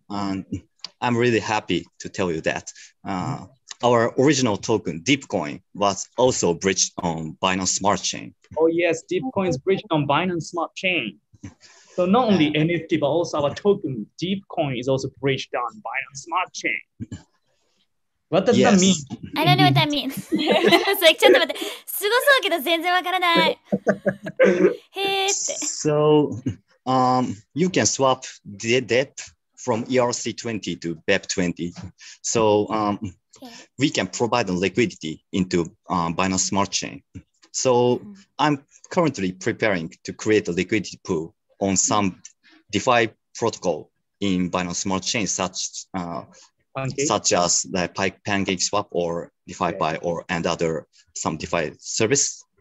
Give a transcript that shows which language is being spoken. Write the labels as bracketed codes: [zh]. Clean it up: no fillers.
[en] And I'm really happy to tell you that our original token, DeepCoin, was also breached on Binance Smart Chain. Oh yes, DeepCoin is breached on Binance Smart Chain. So not only NFT, but also our token, DeepCoin, is also breached on Binance Smart Chain. What does that mean? I don't know what that means. It's like, [ja] ちょっと待って。すごそうけど全然わからない。 [en] So, you can swap the DEP from ERC20 to BEP20. So, we can provide liquidity into Binance Smart Chain. So I'm currently preparing to create a liquidity pool on some DeFi protocol in Binance Smart Chain, such as like PancakeSwap or DeFiPay and other some DeFi service.